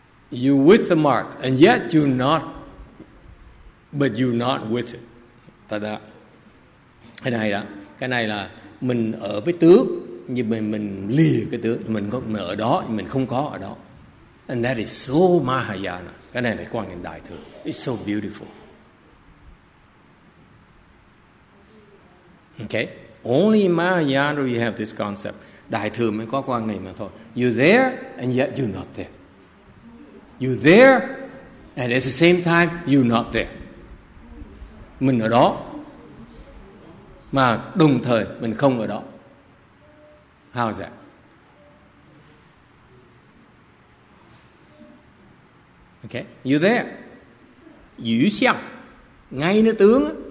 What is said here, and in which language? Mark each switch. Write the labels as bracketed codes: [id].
[en] You with the mark, and yet you not. But you not with it. Ta-da. [vi] Cái này là mình ở với tướng, nhưng mình lìa cái tướng. Mình ở đó, mình không có ở đó. [en] And that is so Mahayana. [vi] Cái này là quan niệm đại thừa. [en] It's so beautiful. Okay. Only in Mahayana you have this concept. [vi] Đại thừa mới có quan niệm mà thôi. [en] You're there, and yet you're not there. You're there, and at the same time, you're not there. [vi] Mình ở đó, mà đồng thời mình không ở đó. [en] How's that? Okay, you're there. Yu xiang, [vi] ngay nơi tướng.